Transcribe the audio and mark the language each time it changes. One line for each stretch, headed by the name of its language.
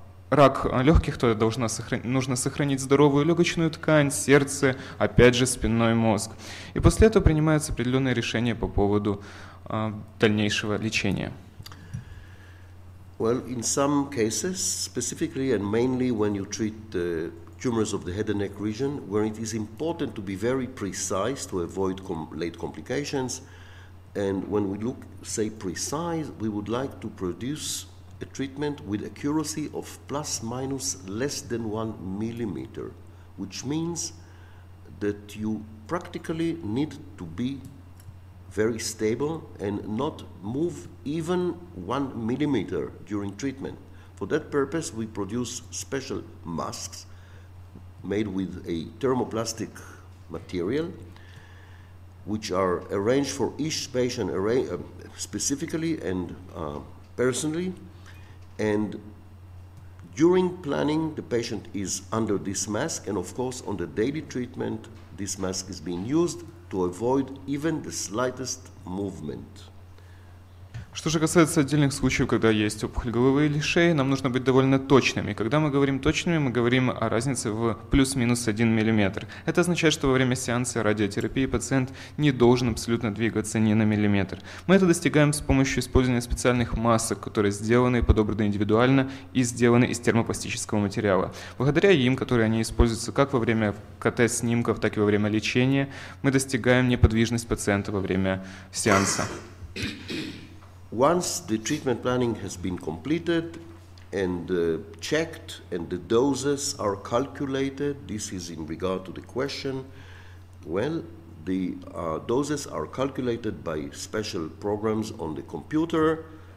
Russian: рак легких, то нужно сохранить здоровую легочную ткань, сердце, опять же спинной мозг. И после этого принимается определенное решение по поводу дальнейшего лечения.
English: Well, in some cases, specifically and mainly when you treat the tumors of the head and neck region, where it is important to be very precise to avoid late complications, and when we look, say, precise, we would like to produce a treatment with accuracy of plus minus less than 1 millimeter, which means that you practically need to be very stable and not move even 1 millimeter during treatment. For that purpose, we produce special masks made with a thermoplastic material, which are arranged for each patient specifically and personally. And during planning, the patient is under this mask, and of course, on the daily treatment, this mask is being used to avoid even the slightest movement.
Russian: Что же касается отдельных случаев, когда есть опухоль головы или шеи, нам нужно быть довольно точными. Когда мы говорим точными, мы говорим о разнице в плюс-минус 1 миллиметр. Это означает, что во время сеанса радиотерапии пациент не должен абсолютно двигаться ни на миллиметр. Мы это достигаем с помощью использования специальных масок, которые сделаны и подобраны индивидуально и сделаны из термопластического материала. Благодаря им, которые они используются как во время КТ-снимков, так и во время лечения, мы достигаем неподвижность пациента во время сеанса.
English: Once the treatment planning has been completed and checked and the doses are calculated, this is in regard to the question, well, the doses are calculated by special programs on the computer